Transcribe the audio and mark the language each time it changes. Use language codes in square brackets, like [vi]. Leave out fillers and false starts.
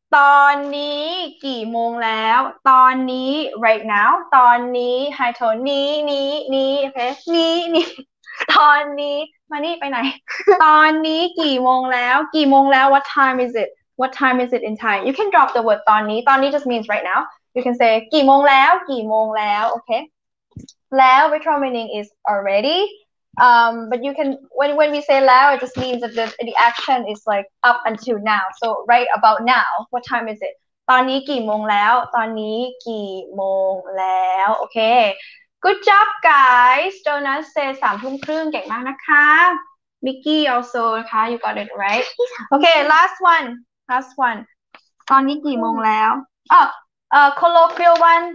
[th] ตอนนี้กี่โมงแล้วตอนนี้ [en] right now [th] ตอนนี้ [en] high tone [th] นี้ okay นี้ตอนนี้มานี่ไปไหน ตอนนี้กี่โมงแล้วกี่โมงแล้ว [en] what time is it? What time is it in Thai? You can drop the word [th] ตอนนี้ตอนนี้ [en] just means right now. You can say [th] กี่โมงแล้วกี่โมงแล้ว [en] okay. แล้ว retro meaning is already. But you can when we say now, it just means that the action is like up until now. So right about now, what time is it? [th] ตอนนี้กี่โมงแล้ว ตอนนี้กี่โมงแล้ว Okay. [en] Good job, guys. Donut says [th] 3ทุ่มครึ่ง เก่งมากนะคะ [en] Mickey also [th] นะคะ [en] You got it right. Okay. Last one. [th] ตอนนี้กี่โมงแล้ว [en] colloquial one.